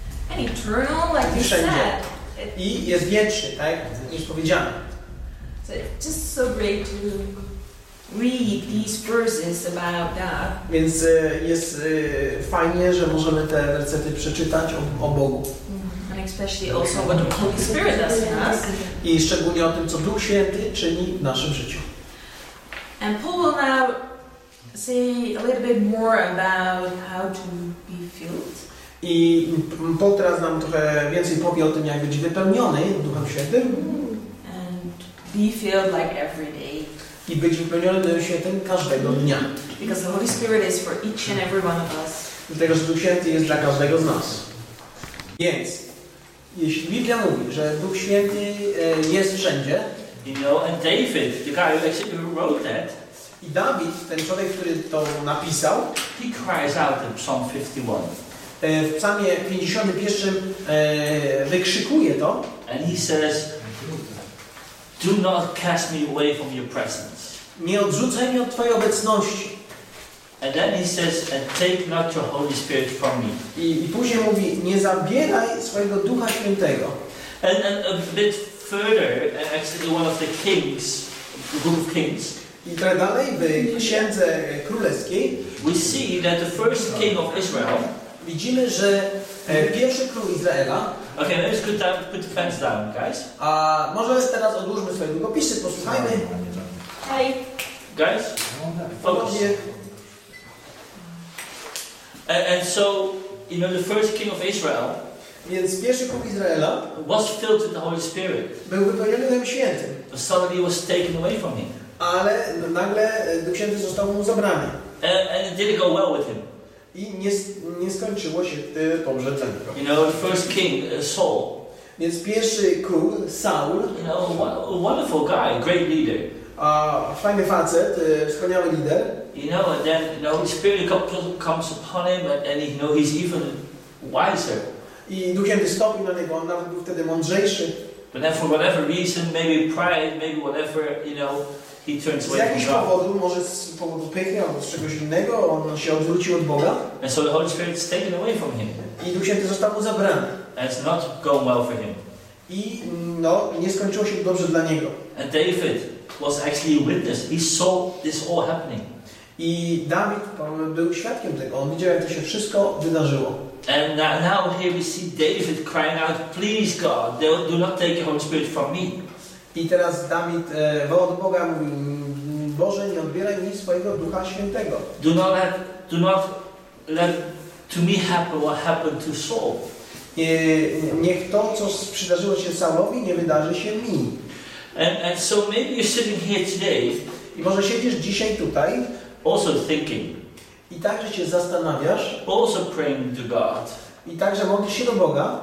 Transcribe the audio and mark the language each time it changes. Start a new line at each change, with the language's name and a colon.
English: And eternal, like you said.
Polish: I jest wieczny, tak? Już powiedziane.
English: So it's just so great to read these verses about God.
Polish: Więc jest fajnie, że możemy te wersety przeczytać o Bogu.
English: And especially also what the Holy Spirit does in us.
Polish: I szczególnie o tym, co Duch Święty czyni w naszym życiu.
English: And Paul will now say a little bit more about how to be filled.
Polish: I Paul teraz nam trochę więcej powie o tym, jak być wypełniony Duchem Świętym.
English: And be filled like every day.
Polish: I być wypełniony Duchem Świętym każdego dnia.
English: Because the Holy Spirit is for each and every one of us.
Polish: Dlatego, że Duch Święty jest dla każdego z nas. Więc, jeśli Biblia mówi, że Duch Święty jest wszędzie.
English: You know, and David, the guy who actually wrote that.
Polish: I Dawid, ten człowiek, który to napisał.
English: He cries out in Psalm 51.
Polish: W psalmie 51 wykrzykuje to.
English: And he says, do not cast me away from your presence.
Polish: Nie odrzucaj mnie od twojej obecności.
English: And then he says, and take not your Holy Spirit from me.
Polish: I później mówi, nie zabieraj swojego Ducha Świętego.
English: And a bit further, actually one of the kings, the book of kings.
Polish: I tak dalej, w Księdze Królewskiej.
English: We see that the first king of Israel.
Polish: widzimy, że pierwszy król Izraela.
English: Okay, now it's good time to put the fence down, guys.
Polish: A może teraz odłóżmy swoje długopisy, posłuchajmy. Hej.
English: Guys, focus. And so, you know, the first king of Israel.
Polish: Więc pierwszy król Izraela
English: was filled with the Holy Spirit.
Polish: Był wypełniony Duchem Świętym.
English: But suddenly was taken away from him.
Polish: Ale nagle Duch Święty został mu zabrany.
English: And it didn't go well with him.
Polish: I nie skończyło się dobrze ten krok.
English: You know, the first king, Saul.
Polish: Więc pierwszy król, Saul.
English: You know, a wonderful guy, great leader.
Polish: A fajny facet, wspaniały lider.
English: You know, and then the Holy Spirit comes upon him, and you know, he's even wiser.
Polish: I Duch Święty stopił na niego, on nawet był wtedy mądrzejszy.
English: But then for whatever reason, maybe pride, maybe whatever, you know, he turns away from God.
Polish: Z jakiegoś powodu, może z powodu pychy, albo z czegoś innego, on się odwrócił od Boga.
English: And so the Holy Spirit is taken away from him.
Polish: I Duch Święty został mu zabrany.
English: And it's not going well for him.
Polish: I no, nie skończyło się dobrze dla niego.
English: And David was actually a witness. He saw this all happening.
Polish: I Dawid był świadkiem tego. On widział, jak to się wszystko wydarzyło.
English: And now here we see David crying out, "Please God, do not take your Holy Spirit from me."
Polish: I teraz Dawid woła do Boga, mówi, "Boże, nie odbieraj mi swojego Ducha Świętego."
English: Do not let to me happen what happened to Saul.
Polish: Niech to, co przydarzyło się Saulowi, nie wydarzy się mi.
English: And so maybe you're sitting here today.
Polish: I może siedzisz dzisiaj tutaj.
English: Also thinking.
Polish: I także się zastanawiasz.
English: Also praying to God.
Polish: I także modlisz się do Boga.